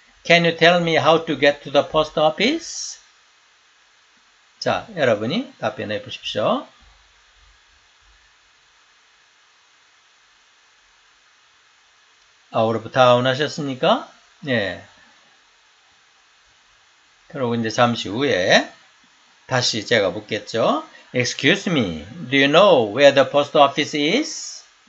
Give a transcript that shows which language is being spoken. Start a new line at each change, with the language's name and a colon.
English: Can you tell me how to get to the post office?
Korean: 자, 여러분이 답변해 보십시오. 아우르브 다운 하셨습니까? 예. 그리고 이제 잠시 후에 다시 제가 묻겠죠.
English: Excuse me, do you know where the post office is?